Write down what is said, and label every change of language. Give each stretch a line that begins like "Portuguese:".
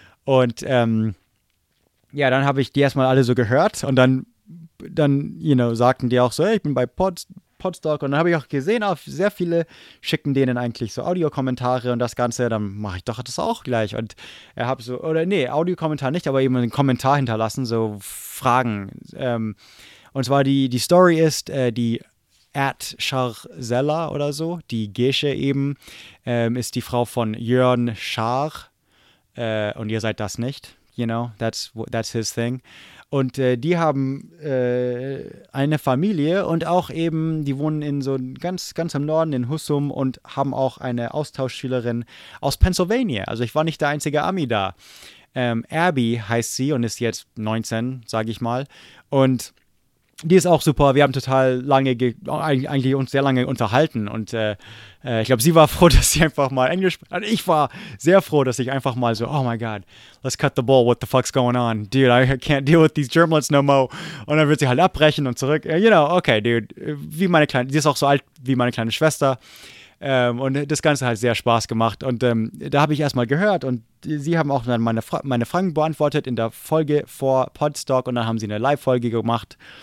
German: Und ja, dann habe ich die erstmal alle so gehört und dann
English: you know,
German: sagten die auch so, hey, ich bin bei Podstock. Und dann habe ich auch gesehen, auch sehr viele schicken denen eigentlich so Audiokommentare und das Ganze, dann mache ich doch das auch gleich. Und er habe so, oder nee, Audiokommentar nicht, aber eben einen Kommentar hinterlassen, so Fragen. Und zwar die Story ist, die at Scharzella oder so, die Gesche eben, ist die Frau von Jörn Schar. Und ihr seid das nicht,
English: you know, that's his thing.
German: Und die haben eine Familie und auch eben, die wohnen in so ganz, ganz im Norden, in Husum, und haben auch eine Austauschschülerin aus Pennsylvania. Also ich war nicht der einzige Ami da. Abby heißt sie und ist jetzt 19, sage ich mal. Und die ist auch super. Wir haben total lange, eigentlich uns sehr lange unterhalten. Und ich glaube, sie war froh, dass sie einfach mal Englisch spricht. Also ich war sehr froh, dass ich einfach mal so,
English: oh my God, let's cut the bull, what the fuck's going on? Dude, I can't deal with these Germans no more.
German: Und dann wird sie halt abbrechen und zurück.
English: You know, okay, dude,
German: wie meine kleine, sie ist auch so alt wie meine kleine Schwester. Und das Ganze hat sehr Spaß gemacht. Und da habe ich erstmal gehört und sie haben auch dann meine Fragen beantwortet in der Folge vor Podstock. Und dann haben sie eine Live-Folge gemacht.